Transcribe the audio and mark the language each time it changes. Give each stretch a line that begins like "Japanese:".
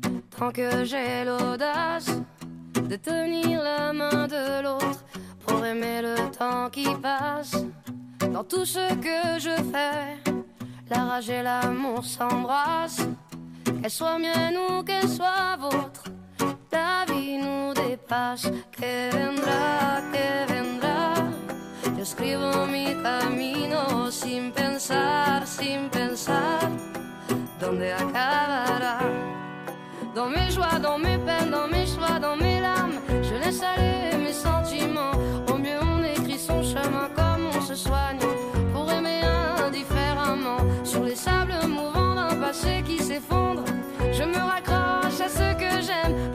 French: Prends que j'ai l'audace de tenir la main de l'autre pour aimer le temps qui passe. Dans tout ce que je fais, la rage et l'amour s'embrassent. Qu'elle soit mienne ou qu'elle soit vôtre, la vie nous dépasse.
Spanish: Que vendra, que vendra. Yo escribo mi camino sin pensar, sin pensar. ¿Dónde acabará?
French: Dans mes joies, dans mes peines, dans mes choix, dans mes larmes, je laisse aller mes sentiments. Au mieux on écrit son chemin comme on se soigne pour aimer indifféremment. Sur les sables mouvants d'un passé qui s'effondre, je me raccroche à ce que j'aime.